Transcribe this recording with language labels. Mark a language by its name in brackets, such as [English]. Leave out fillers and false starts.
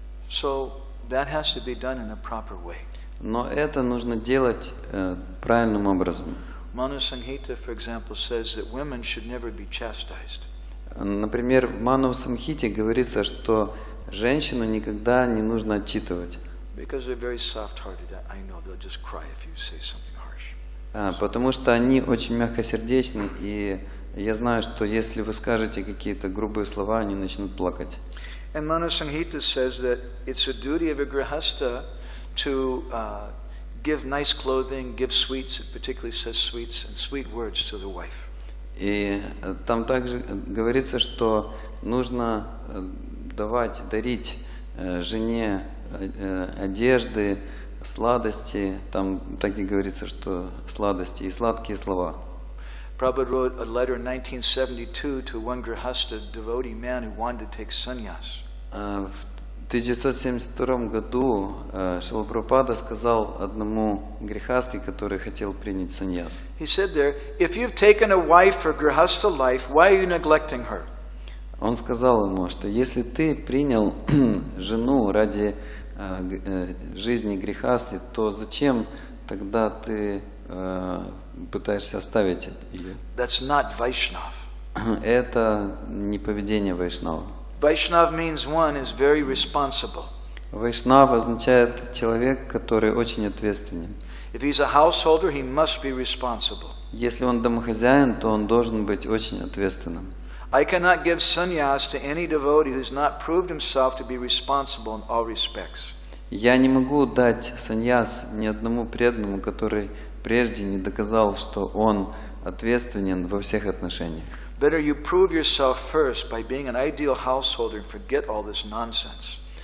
[English] So that has to be done in a proper way. [Russian] Но это нужно делать правильным образом. [English] Mana Samhita, for example, says that women should never be chastised. [Russian] Например, в Мана Самхите говорится, что женщину никогда не нужно отчитывать. [English] Because they're very soft-hearted, I know they'll just cry if you say something harsh. [Russian] Потому что они очень мягкосердечны и я знаю, что если вы скажете какие-то грубые слова, они начнут плакать. [English] And Mana Samhita says that it's a duty of a grihastha to give nice clothing, give sweets, it particularly says sweets and sweet words to the wife. [Russian] И там также говорится, что нужно давать, дарить жене одежды, сладости. Там так и говорится, что сладости и сладкие слова. [English] Prabhupada wrote a letter in 1972 to one grihastha devotee man who wanted to take sannyas. [Russian] В 1972 году Шрила Прабхупада сказал одному грихастхе, который хотел принять саньяс. [English] He said there, if you've taken a wife for grihastha life, why are you neglecting her? [Russian] Он сказал ему, что если ты принял жену ради жизни грихастхи, то зачем тогда ты пытаешься оставить ее? [English] That's not Vaishnav. [Russian] Это не поведение Вайшнава. [English] Vaishnav means one is very responsible. [Russian] Вайшнав означает человек, который очень ответственен. [English] If he's a householder, he must be responsible. [Russian] Если он домохозяин, то он должен быть очень ответственным. [English] I cannot give sannyas to any devotee who's not proved himself to be responsible in all respects. [Russian] Я не могу дать саньяс ни одному преданному, который прежде не доказал, что он ответственен во всех отношениях. [English] Better you prove yourself first by being an ideal householder and forget all this nonsense.